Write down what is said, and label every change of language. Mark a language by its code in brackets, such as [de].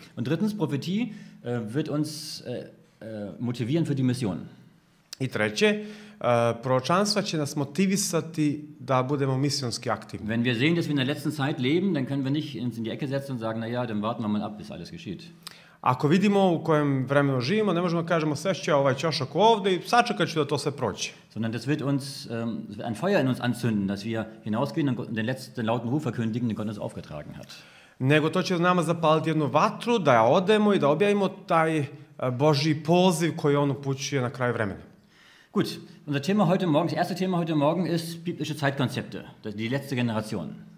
[de] Und drittens, Prophetie wird uns motivieren für die Mission. [sr] I treće, proročanstva će nas motivisati da budemo misionski aktivni. [de] Wenn wir sehen, dass wir in der letzten Zeit leben, dann können wir nicht uns in die Ecke setzen und sagen, na ja, dann warten wir mal ab, bis alles geschieht. [sr] Ako vidimo u kojem vremenu živimo, ne možemo kažemo sve što je ovaj čošak ovde i sačekat ću da to sve proći. [de] Sondern das wird uns ein Feuer in uns anzünden, dass wir hinausgehen und den letzten lauten Ruf verkündigen, den Gott uns aufgetragen hat. [sr] Nego to će nama zapaliti jednu vatru da odemo i da objavimo taj Božji poziv koji on upućuje na kraju vremena. [de] Gut, unser Thema heute morgen, das erste Thema heute morgen ist biblische Zeitkonzepte, die letzte Generation.